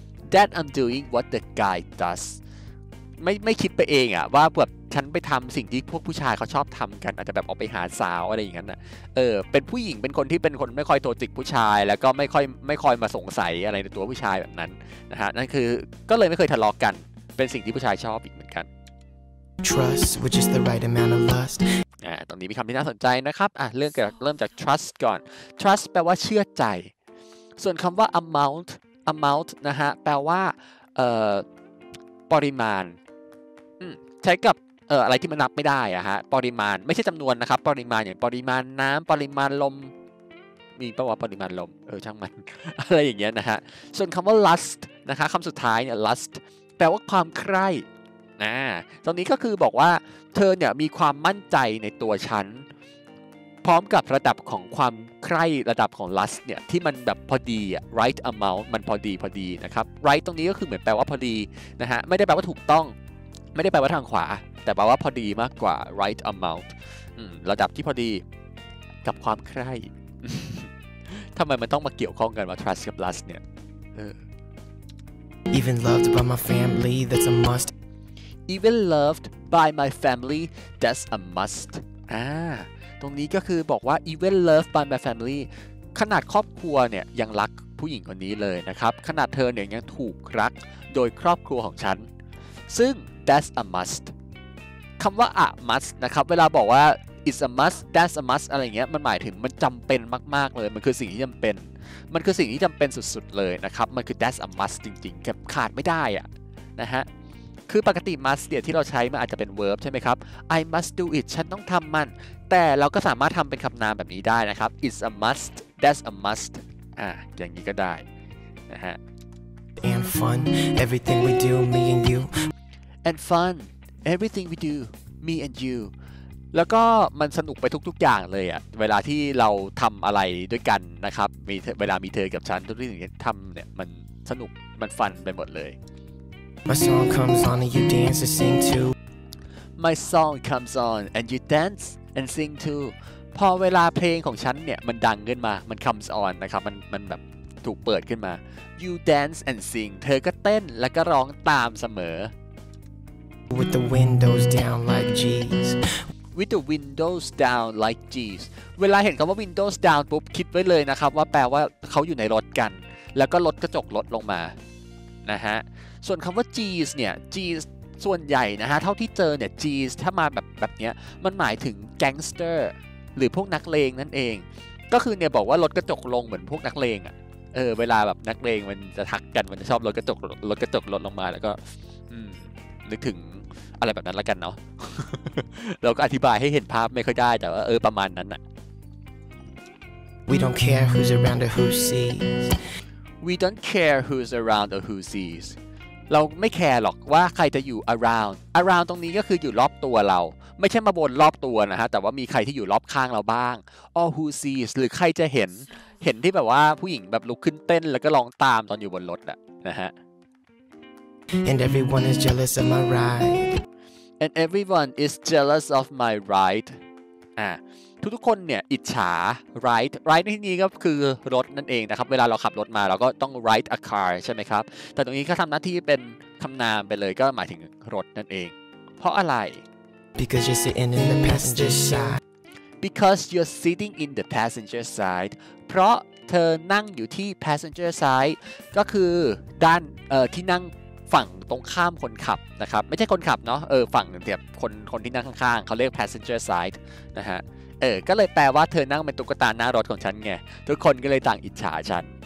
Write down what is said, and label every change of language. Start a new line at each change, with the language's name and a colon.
English: That I'm doing what the guy does
Thai: ไม่คิดไปเองอ่ะว่าแบบฉันไปทำสิ่งที่พวกผู้ชายเขาชอบทำกันอาจจะแบบออกไปหาสาวอะไรอย่างนั้นอ่ะเป็นผู้หญิงเป็นคนที่เป็นคนไม่ค่อยโทรจิกผู้ชายแล้วก็ไม่ค่อยมาสงสัยอะไรในตัวผู้ชายแบบนั้นนะฮะนั่นคือก็เลยไม่เคยทะเลาะ กันเป็นสิ่งที่ผู้ชายชอบอีกเหมือนกัน
English: Trust, which is the right amount of lust.
Thai: ตรงนี้มีคำที่น่าสนใจนะครับเรื่องเริ่มจาก trust ก่อน trust แปลว่าเชื่อใจส่วนคำว่า amount นะฮะแปลว่าปริมาณใช้กับอะไรที่มันนับไม่ได้อะฮะปริมาณไม่ใช่จำนวนนะครับปริมาณอย่างปริมาณน้ำปริมาณลมมีแปลว่าปริมาณลมช่างมันอะไรอย่างเงี้ยนะฮะส่วนคำว่า lust นะคะคำสุดท้ายเนี่ย lust แปลว่าความใคร่ ตรงนี้ก็คือบอกว่าเธอเนี่ยมีความมั่นใจในตัวฉันพร้อมกับระดับของความใคร่ระดับของ lust เนี่ยที่มันแบบพอดี right amount มันพอดีนะครับ right ตรงนี้ก็คือเหมือนแปลว่าพอดีนะฮะไม่ได้แปลว่าถูกต้องไม่ได้แปลว่าทางขวาแต่แปลว่าพอดีมากกว่า right amount ระดับที่พอดีกับความใคร่ ทำไมมันต้องมาเกี่ยวข้องกันว่า trust กับ lust เนี่ย
English: Even loved by my family that's a must Even loved by my family that's a must
Thai: ตรงนี้ก็คือบอกว่า
English: even loved by my family
Thai: ขนาดครอบครัวเนี่ยยังรักผู้หญิงคนนี้เลยนะครับขนาดเธอเนี่ยยังถูกรักโดยครอบครัวของฉันซึ่ง
English: that's a must
Thai: คำว่า a must นะครับเวลาบอกว่า
English: it's a must that's a must
Thai: อะไรเงี้ยมันหมายถึงมันจำเป็นมากๆเลยมันคือสิ่งที่จำเป็นมันคือสิ่งที่จำเป็นสุดๆเลยนะครับมันคือ that's a must จริงๆแบบขาดไม่ได้อะนะฮะคือปกติ must เนี่ยที่เราใช้มันอาจจะเป็น verb ใช่ไหมครับ
English: I must do it
Thai: ฉันต้องทำมันแต่เราก็สามารถทำเป็นคำนามแบบนี้ได้นะครับ it's a must that's a must อย่างนี้ก็ได้นะฮะ
English: and fun everything we do me and you and funEverything we do, me and you.
Thai: แล้วก็มันสนุกไปทุกๆอย่างเลยอะเวลาที่เราทำอะไรด้วยกันนะครับมีเวลามีเธอกับฉันทุกเรื่องที่ทำเนี่ยมันสนุกมันฟันไปหมดเลย
English: My song comes on and you dance and sing too. My song comes on and you dance and sing too.
Thai: พอเวลาเพลงของฉันเนี่ยมันดังขึ้นมามัน comes on นะครับมันแบบถูกเปิดขึ้นมา
English: You dance and sing.
Thai: เธอก็เต้นแล้วก็ร้องตามเสมอ
English: With the windows down like G's. With the windows down like G's.
Thai: เวลาเห็นคำว่า windows down ปุ๊บคิดไว้เลยนะครับว่าแปลว่าเขาอยู่ในรถกันแล้วก็รถกระจกรถลงมานะฮะส่วนคำว่า G's เนี่ย G's ส่วนใหญ่นะฮะเท่าที่เจอเนี่ย G's ถ้ามาแบบเนี้ยมันหมายถึง gangster หรือพวกนักเลงนั่นเองก็คือเนี่ยบอกว่ารถกระจกลงเหมือนพวกนักเลงอ่ะเวลาแบบนักเลงมันจะทักกันมันชอบรถกระจก รถลงมาแล้วก็นึกถึงอะไรแบบนั้นละกันเนาะเราก็อธิบายให้เห็นภาพไม่ค่อยได้แต่ว่าประมาณนั้นน่ะ
English: We don't care who's around or who sees We don't care who's around or who sees
Thai: เราไม่แคร์หรอกว่าใครจะอยู่ around ตรงนี้ก็คืออยู่รอบตัวเราไม่ใช่มาบนรอบตัวนะฮะแต่ว่ามีใครที่อยู่รอบข้างเราบ้าง
English: or who sees
Thai: หรือใครจะเห็นที่แบบว่าผู้หญิงแบบลุกขึ้นเต้นแล้วก็ร้องตามตอนอยู่บนรถอะนะฮะ
English: And everyone is jealous of my ride. And everyone is jealous of my ride.
Thai: ทุกๆคนเนี่ยอิจฉา ride. Ride ที่นี้ก็คือรถนั่นเองนะครับเวลาเราขับรถมาเราก็ต้อง
English: ride a car
Thai: ใช่ไหมครับแต่ตรงนี้เขาทำหน้าที่เป็นคำนามไปเลยก็หมายถึงรถนั่นเองเพราะอะไร
English: Because you're sitting in the passenger side. Because you're sitting in the passenger side.
Thai: เพราะเธอนั่งอยู่ที่ passenger side ก็คือด้านที่นั่งฝั่งตรงข้ามคนขับนะครับไม่ใช่คนขับเนาะฝั่งเดียบคนที่นั่งข้างๆเขาเรียก passenger side นะฮะก็เลยแปลว่าเธอนั่งเป็นตุ๊กตาหน้ารถของฉันไงทุกคนก็เลยต่างอิจฉาฉัน